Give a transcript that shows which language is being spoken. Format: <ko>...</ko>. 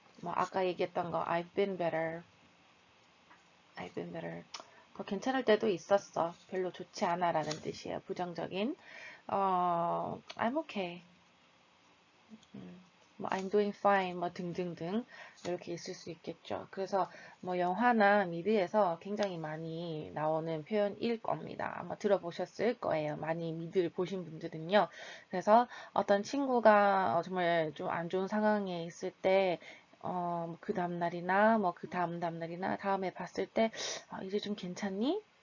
<ko>뭐 아까 얘기했던 거</ko> <en>I've been better. I've been better.</en> <ko>더 괜찮을 때도 있었어. 별로 좋지 않아 라는 뜻이에요. 부정적인.</ko> <en>I'm okay.</en> <ko>뭐</ko> <en>I'm doing fine,</en> <ko>뭐 등등등 이렇게 있을 수 있겠죠. 그래서 뭐 영화나 미드에서 굉장히 많이 나오는 표현일 겁니다. 아마 들어보셨을 거예요. 많이 미드를 보신 분들은요. 그래서 어떤 친구가 정말 좀안 좋은 상황에 있을 때, 그 다음날이나 뭐그 다음날이나 다음에 봤을 때, 이제 좀 괜찮니?</ko>